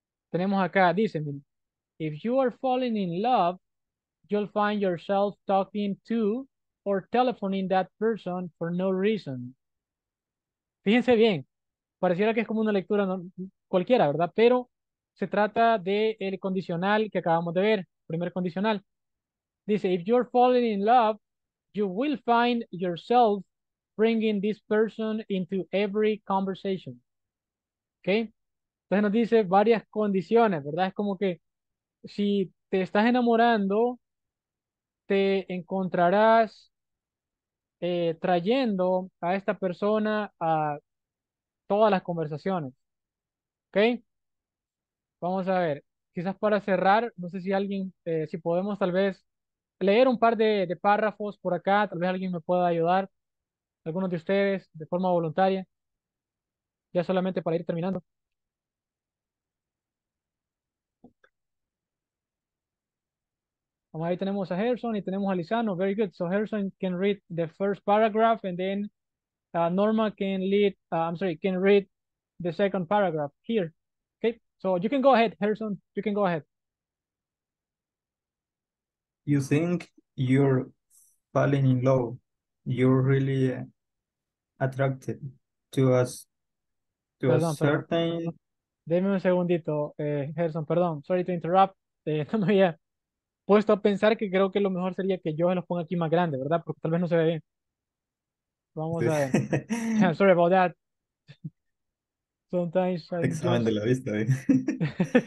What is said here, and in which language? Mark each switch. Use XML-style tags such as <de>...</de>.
<es>Tenemos acá, dice,</es> <en>if you are falling in love, you'll find yourself talking to or telephoning that person for no reason.</en> <es>Fíjense bien, pareciera que es como una lectura cualquiera, ¿verdad? Pero se trata de el condicional que acabamos de ver. Primer condicional. Dice, if you're falling in love, you will find yourself bringing this person into every conversation. ¿Ok? Entonces nos dice varias condiciones, ¿verdad? Es como que si te estás enamorando, te encontrarás trayendo a esta persona a todas las conversaciones. ¿Ok? Vamos a ver. Quizás para cerrar, no sé si alguien, si podemos tal vez leer un par de párrafos por acá, tal vez alguien me pueda ayudar, algunos de ustedes, de forma voluntaria, ya solamente para ir terminando. Vamos, ahí tenemos a Gerson y tenemos a Lizano.</es> <en>Very good. So Gerson can read the first paragraph and then Norma can lead, I'm sorry, can read the second paragraph here. Okay, so you can go ahead, Gerson. You can go ahead. You think you're falling in love. You're really attracted to us, to perdón, a certain...</en> <es>Deme un segundito, Gerson, perdón.</es> <en>Sorry to interrupt.</en> <es>No me había puesto a pensar que creo que lo mejor sería que yo se los ponga aquí más grande, ¿verdad? Porque tal vez no se ve bien. Vamos sí. A ver.</es> <en>Sorry about that. Sometimes I</en> <es>examen just... de la vista, ¿eh?</es>